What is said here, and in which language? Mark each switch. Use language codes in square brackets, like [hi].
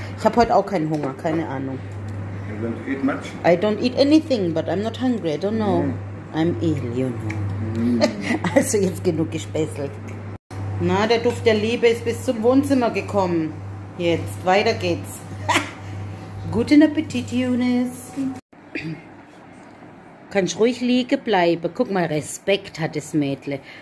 [de] Ich habe heute auch keinen Hunger, keine Ahnung. [en] You don't eat much? I don't eat anything, but I'm not hungry. I don't know. Mm. I'm ill, you know. Mm. [de] Also jetzt genug gespesselt. Na, der Duft der Liebe ist bis zum Wohnzimmer gekommen. Jetzt, weiter geht's. Guten Appetit, Younes. Kannst ruhig liegen bleiben. Guck mal, Respekt hat das Mädle.